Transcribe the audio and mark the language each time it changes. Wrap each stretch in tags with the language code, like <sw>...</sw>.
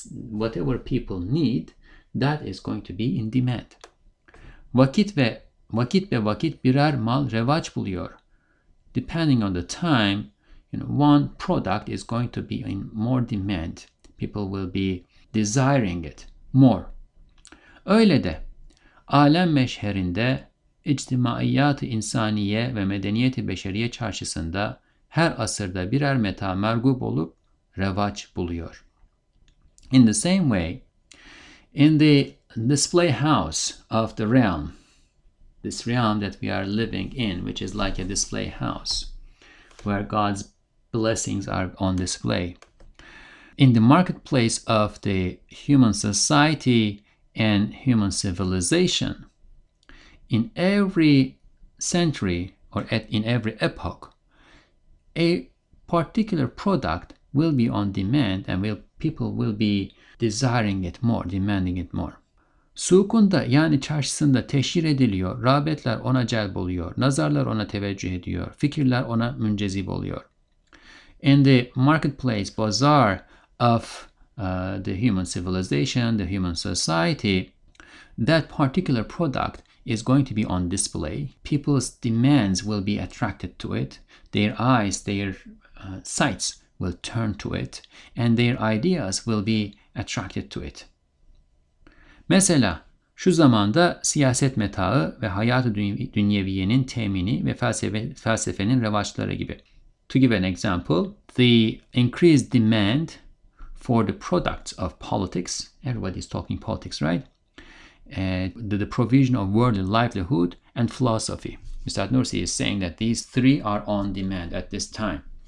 <en>Whatever people need, that is going to be in demand.</en> <tr>Vakit ve vakit birer mal revaç buluyor.</tr> <en>Depending on the time, you know, one product is going to be in more demand. People will be desiring it more.</en> <tr>Öyle de, alem meşherinde, içtimaiyat-ı insaniye ve medeniyet-i beşeriye çarşısında her asırda birer meta mergub olup revaç buluyor.</tr> <en>In the same way, in the display house of the realm, this realm that we are living in, which is like a display house, where God's blessings are on display. In the marketplace of the human society and human civilization, in every century or in every epoch, a particular product will be on demand and people will be desiring it more, demanding it more.</en> <tr>Sukunda yani çarşısında teşhir ediliyor, rağbetler ona celp oluyor, nazarlar ona teveccüh ediyor, fikirler ona müncezip oluyor.</tr> <en>In the marketplace, bazaar of the human civilization, the human society, that particular product is going to be on display. People's demands will be attracted to it. Their eyes, their sights will turn to it, and their ideas will be attracted to it.</en> <tr>Mesela, şu zamanda siyaset metaı ve hayat-ı dünyeviyenin temini ve felsefenin revaçları gibi.</tr> <en>To give an example, the increased demand for the products of politics, everybody is talking politics, right? The provision of worldly livelihood and philosophy. Üstad Nursi is saying that these three are on demand at this time.</en>